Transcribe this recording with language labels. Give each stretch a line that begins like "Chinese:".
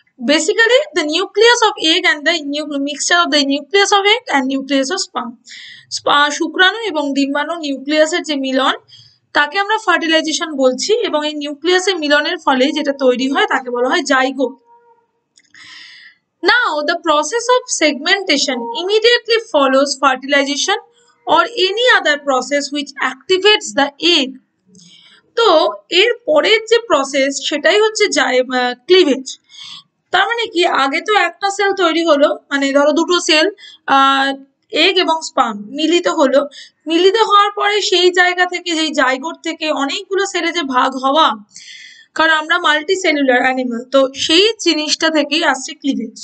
English: basically the nucleus of egg and the mixture of the nucleus of egg and nucleus of sperm,
Bangla: শুক্রাণু এবং ডিম্বাণু নিউক্লিয়াসের যে মিলন তাকে আমরা ফার্টিলাইজেশন বলছি, এবং এই নিউক্লিয়াসের মিলনের ফলে যেটা তৈরি হয় তাকে বলা হয় zygote.
English: Now, the process of segmentation immediately follows fertilization or any other process which activates the egg.
Bangla: তো এর পরের যে প্রসেস সেটাই হচ্ছে ক্লিভেজ। তার মানে কি, আগে তো একটা সেল তৈরি হলো, মানে ধরো দুটো সেল এগ এবং স্পার্ম মিলিত হলো, মিলিত হওয়ার পরে সেই জায়গা থেকে যেই জায়গোট থেকে অনেকগুলো সেলে যে ভাগ হওয়া, কারণ আমরা মাল্টি সেলুলার অ্যানিমাল, তো সেই জিনিসটা থেকেই আসছে ক্লিভেজ।